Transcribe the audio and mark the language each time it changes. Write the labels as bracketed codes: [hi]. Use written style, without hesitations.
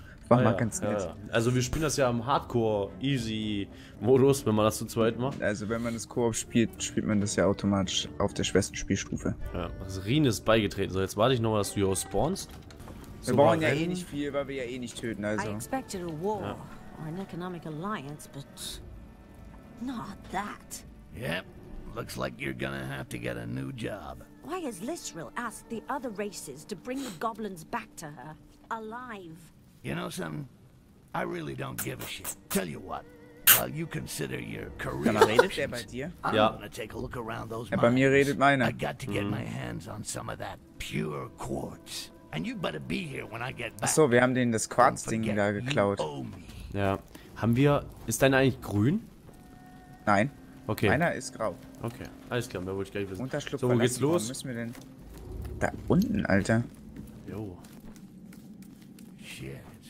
[de] Ah, mal ja, ganz nett. Ja. Also wir spielen das ja im Hardcore-Easy-Modus, wenn man das zu zweit macht. Also wenn man das Koop spielt, spielt man das ja automatisch auf der schwersten Spielstufe. Ja, also Rien ist beigetreten. So, jetzt warte ich nochmal, dass du hier spawnst. So, wir brauchen ja eh nicht viel, weil wir ja eh nicht töten, also. [en] I expected a war, or an economic alliance, but not that. Yep, looks like you're gonna have to get a new job. Why has Lysril asked the other races to bring the goblins back to her, alive? You know something? I really don't give a shit. Tell you what, while you consider your career options, [de] redet der bei dir? [en] I'm gonna take a look around those mines. [de] Bei mir redet meiner. [en] I got to get my hands on some of that pure quartz. And you better be here when I get back. [de] Achso, wir haben denen das Quarz-Ding da geklaut. Ja. Haben wir. Ist deiner eigentlich grün? Nein. Okay. Meiner ist grau. Okay. Alles klar, mehr wollte ich gar nicht wissen. Unterschlupf. So, wo geht's los? Wo müssen wir denn? Da unten, Alter. Jo. Shit.